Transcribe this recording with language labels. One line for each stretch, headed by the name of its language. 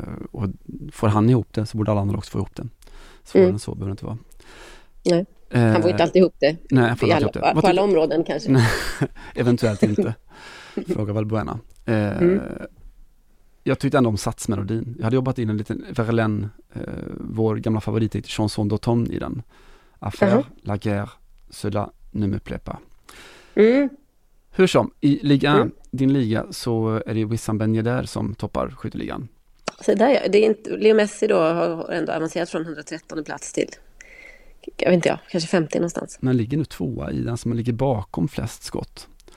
Swedish: Och får han ihop det, så borde alla andra också få ihop det. Svårare än så behöver det inte vara. Nej, han får inte alltid ihop det. Nej, han får inte ihop det. På alla områden kanske. Nej, eventuellt inte. Fråga Valbuena. Jag tyckte ändå om satsmelodin. Jag hade jobbat in en liten Verlaine, vår gamla favorit, Chanson d'automne, i den.
French: Affaire, la guerre, cela ne me plaît pas. Mm.
Swedish: Hur som, i Ligue 1, din liga, så är det Wissam Ben Yedder som toppar skytteligan. Så där, ja. Det är inte, Leo Messi då har ändå avancerat från 113 plats till, jag vet inte, ja, kanske 50 någonstans. Men ligger nu tvåa i den som ligger bakom flest skott.